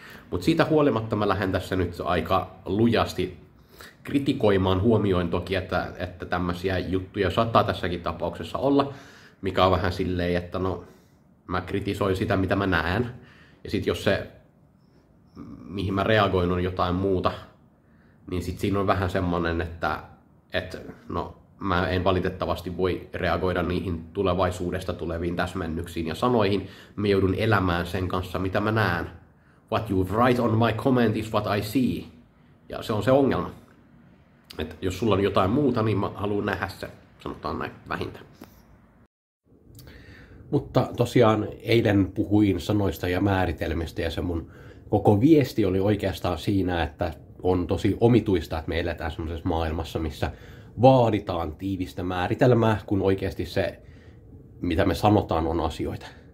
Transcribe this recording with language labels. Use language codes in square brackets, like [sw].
[fi] Mutta siitä huolimatta mä lähden tässä nyt aika lujasti kritikoimaan, huomioin toki, että tämmöisiä juttuja saattaa tässäkin tapauksessa olla, mikä on vähän silleen, että no, mä kritisoin sitä, mitä mä näen, ja sitten jos se, mihin mä reagoin, on jotain muuta, niin sitten siinä on vähän semmoinen, että no, mä en valitettavasti voi reagoida niihin tulevaisuudesta tuleviin täsmennyksiin ja sanoihin, mä joudun elämään sen kanssa, mitä mä näen. [en] What you write on my comment is what I see. [fi] Ja se on se ongelma. Et jos sulla on jotain muuta, niin mä haluan nähdä se, sanotaan näin, vähintään. Mutta tosiaan eilen puhuin sanoista ja määritelmistä ja se mun koko viesti oli oikeastaan siinä, että on tosi omituista, että me eletään semmoisessa maailmassa, missä vaaditaan tiivistä määritelmää, kun oikeasti se, mitä me sanotaan, on asioita.